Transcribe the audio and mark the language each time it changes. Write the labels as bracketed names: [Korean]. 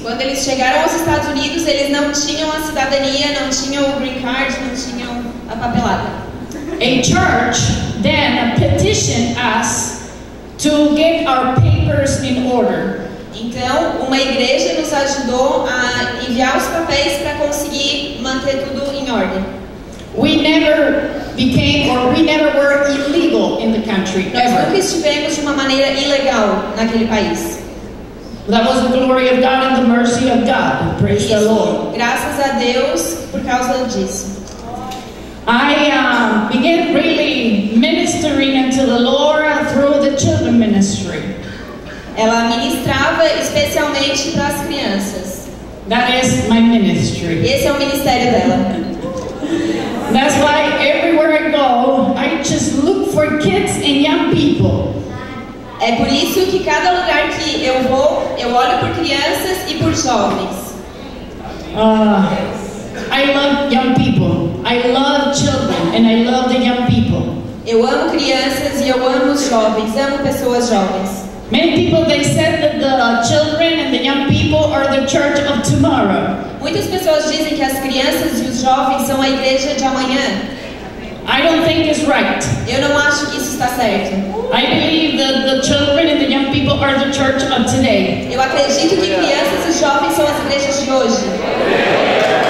[Portuguese] Quando eles chegaram aos Estados Unidos, eles não tinham a cidadania, não tinham o green card, não tinham a papelada. [English] A church then petitioned us to get our papers in order. [Portuguese] Então, uma igreja nos ajudou a enviar os papéis para conseguir manter tudo em ordem. [English] We never were illegal in the country. [Portuguese] Nós nunca estivemos de uma maneira ilegal naquele país. [English] That was the glory of God and the mercy of God. Praise [Portuguese] Isso. [English] the Lord. [Portuguese] Graças a Deus por causa disso. [English] I began really ministering unto the Lord through the children ministry. [Portuguese] Ela ministrava especialmente para as crianças. [English] That is my ministry. [Portuguese] Esse é o ministério dela. [English] That's why everywhere I go, I just look for kids and young people. [Portuguese] É por isso que cada lugar que eu vou, eu olho por crianças e por jovens. [English] I love young people. I love children and I love the young people. [Portuguese] Eu amo crianças e eu amo jovens. Amo pessoas jovens. [English] Many people they said that the children and the young people are the church of tomorrow. [Portuguese] Muitas pessoas dizem que as crianças e os jovens são a igreja de amanhã. [English] I don't think it's right. [Portuguese] Eu não acho que isso está certo. [English] I believe that the children and the young people are the church of today. [Portuguese] Eu acredito que crianças e jovens são as igrejas de hoje.